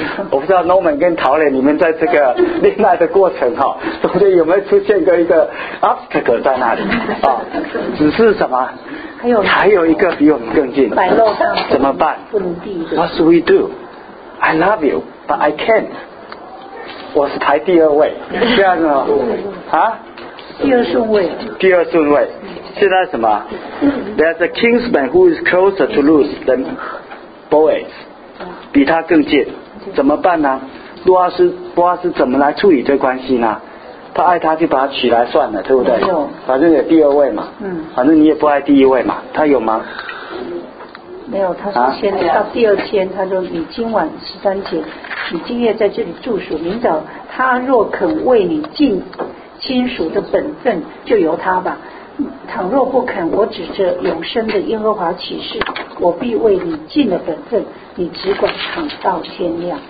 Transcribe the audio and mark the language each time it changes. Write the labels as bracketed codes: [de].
[zh] 我不知道 Norman 跟陶磊你们在这个恋爱的过程哈，中间有没有出现过一个 obstacle 在那里啊、哦？只是什么？还有一个比我们更近，怎么办 ？ [en] What do we do? I love you, but I can't. [zh] 我是排第二位，这样子吗？啊？第二顺位。现在什么 [en] ？There's a kinsman who is closer to lose than. [zh] Boys 比他更近，怎么办呢？波阿斯怎么来处理这关系呢？他爱他就把他娶来算了，对不对？反正有第二位嘛、嗯、反正你也不爱第一位嘛，他有吗？没有，他是先、啊、到第二天他说你今晚十三节你今夜在这里住宿，明早他若肯为你尽亲属的本分就由他吧，倘若不肯，我指着永生的耶和华起誓，我必为你尽了本分，你只管躺到天亮。